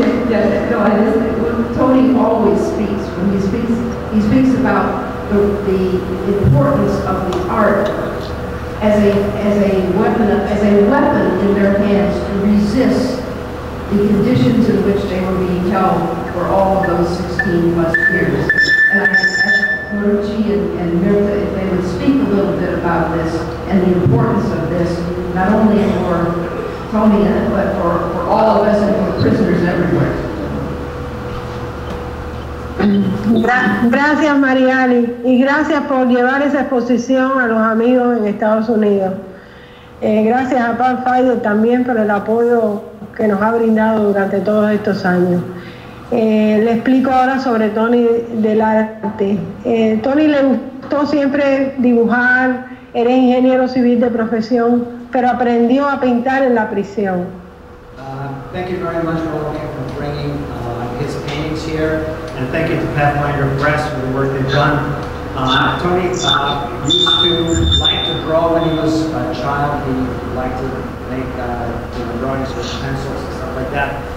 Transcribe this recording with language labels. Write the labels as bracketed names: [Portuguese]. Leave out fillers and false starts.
[English] Tony always speaks, when he speaks about the importance of the art as a weapon in their hands to resist the conditions in which they were being held for all of those 16 plus years. And I asked Marucci and Mirtha if they would speak a little bit about this and the importance of this, not only for Tony, but for all of us and for prisoners everywhere. [Spanish] Gracias Mariali y gracias por llevar esa exposición a los amigos en Estados Unidos. Gracias a Pathfinder también por el apoyo que nos ha brindado durante todos estos años. Le explico ahora sobre Tony del arte. Tony le gustó siempre dibujar, era ingeniero civil de profesión, pero aprendió a pintar en la prisión. [English] Thank you very much for bringing his paintings here. And thank you to Pathfinder Press for the work they've done. Tony used to like to draw when he was a child. He liked to make drawings with pencils and stuff like that.